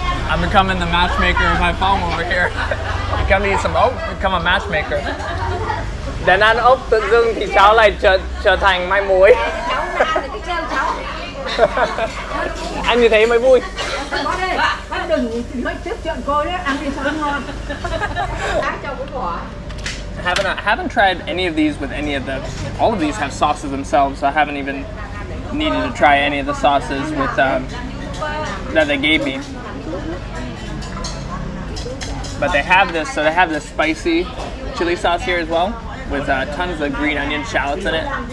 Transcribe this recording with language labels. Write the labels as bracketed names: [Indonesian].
[English] I'm becoming the matchmaker of my phone over here. You come eat some oak, become a matchmaker. [Vietnamese] Đến ăn ốc tự dưng thì cháu lại trở thành mai mối. Anh như thế mới vui. đừng nói tiếp chuyện cô đấy, ăn đi sao ngon. Cá trong cái vỏ. [English] I haven't tried any of these with any of the, all of these have sauces themselves, so I haven't even needed to try any of the sauces with that they gave me. But they have this, so they have this spicy chili sauce here as well, with tons of green onion shallots in it.